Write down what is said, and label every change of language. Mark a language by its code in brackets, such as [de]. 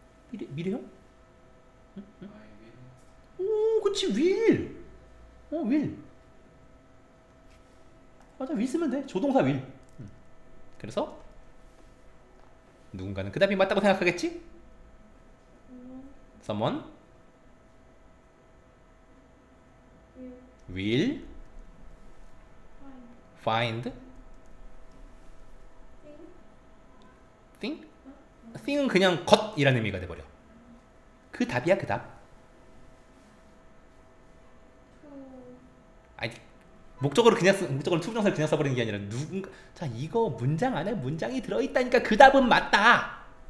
[ko] 미래형? 응? 응? 오 그치 will. 어 will 맞아. will 쓰면 돼. 조동사 will. 그래서 누군가는 그 답이 맞다고 생각하겠지? [en] someone will find thing? [ko] thing은 그냥 것이라는 의미가 돼버려. 그 답이야 그 답. 아니 목적으로 그냥 쓰, 목적으로 투부정사를 그냥 써버리는 게 아니라 누군가 자 이거 문장 안에 문장이 들어있다니까 그 답은 맞다